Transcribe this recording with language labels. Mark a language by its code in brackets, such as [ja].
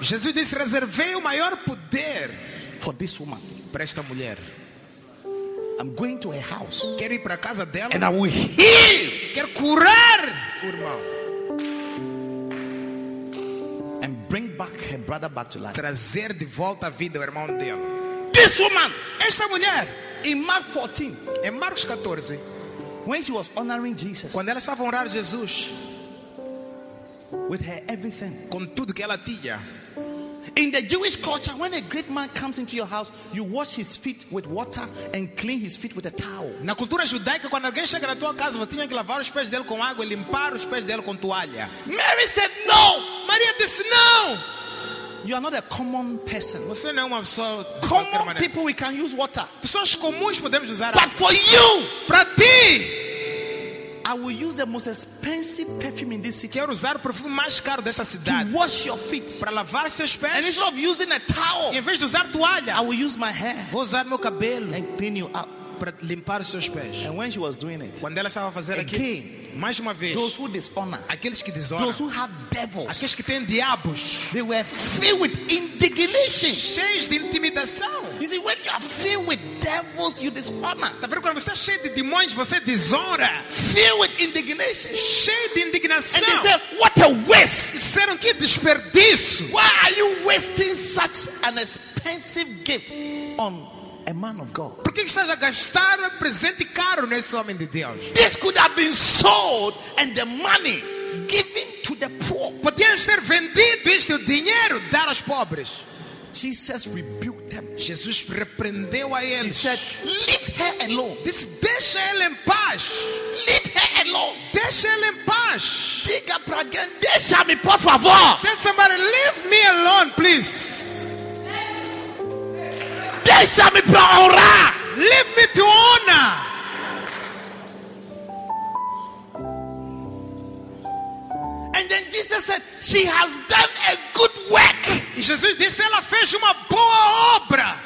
[pt] Jesus disse, reservei o maior poder. [en] For this woman. [pt] Para esta mulher. [en] I'm going to her house. [pt] Quero ir para casa dela. [en] And I will heal. [pt] Quero curar o irmão. [en] And bring back her brother back to life. [pt] Trazer de volta a vida o irmão dela. [en] This woman, [pt] esta mulher, [en] in Mark 14, [pt] em Marcos 14, [en] when she was honoring Jesus, [pt] quando ela estava honrando Jesus, [en] with her everything, [pt] com tudo que ela tinha. [en] In the Jewish culture, when a great man comes into your house, you wash his feet with water and clean his feet with a towel. [pt] Na cultura judaica, quando alguém chega na tua casa, você tinha que lavar os pés dele com água e limpar os pés dele com toalha. [en] Mary said no. [pt] Maria disse não. [en] You are not a common person. [pt] Você não é uma pessoa [en] common. People, we can use water. [pt] Pessoas comuns podemos usar água. [en] But for you, [pt] para ti, [en] I will use the most expensive perfume in this city. [pt] Quero usar o perfume mais caro dessa cidade. [en] To wash your feet. [pt] Para lavar seus pés. [en] And instead of using a towel, [pt] em vez de usar toalha, [en] I will use my hair. [pt] Vou usar meu cabelo. [en] And clean you up. [pt] Para limpar seus pés. [en] And when she was doing it, [pt] quando ela estava fazendo aquilo, mais uma vez, [en] those who dishonor, [pt] aqueles que desonram, [en] those who have devils, [pt] aqueles que têm diabos, [en] they were filled with indignation, [pt] cheios de intimidação. [en] You see, when you are filled with devils, you dishonor. [pt] Tá vendo? Quando você é cheio de demônios, você desonra. [en] Filled with indignation. [pt] Cheio de indignação. [en] And they said, what a waste. [pt] Disseram, que desperdício. [en] Why are you wasting such an expensive gift on a man of God? [pt] Por que estás a gastar presente caro nesse homem de Deus? [en] This could have been sold and the money given to the poor. [pt] Podia ser vendido este dinheiro, dar aos pobres. [en] Jesus rebuked them. [pt] Jesus repreendeu a eles. [en] He said, leave her alone. [pt] Deixa ela em paz. [en] Leave her alone. [pt] Deixa ela em paz. Diga para alguém, deixa-me, por favor. [en] Tell somebody, leave me alone, please. [pt] Deixa-me para honrar. [en] Leave me to honor. And then Jesus said, she has done a good work. [pt] E Jesus disse, ela fez uma boa obra.